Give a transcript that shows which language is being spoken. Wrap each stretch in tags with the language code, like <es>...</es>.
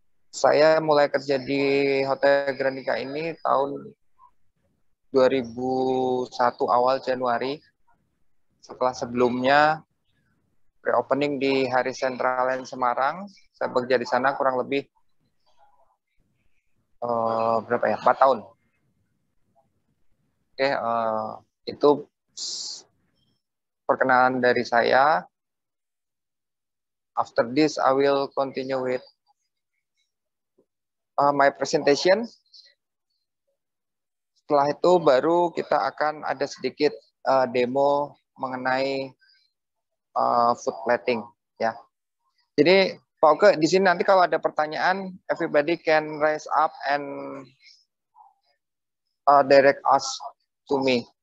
<id>Saya mulai kerja di Hotel Grand Dika ini tahun 2001 awal Januari, setelah sebelumnya reopening di Hari Sentral in Semarang. Saya bekerja di sana kurang lebih 4 tahun. Oke, itu perkenalan dari saya.</id> <en>After this, I will continue with my presentation.</en> <id>Setelah itu, baru kita akan ada sedikit demo mengenai food plating ya. Jadi Pak Oke, di sini nanti kalau ada pertanyaan,</id> <en>everybody can raise up and direct us to me.</en>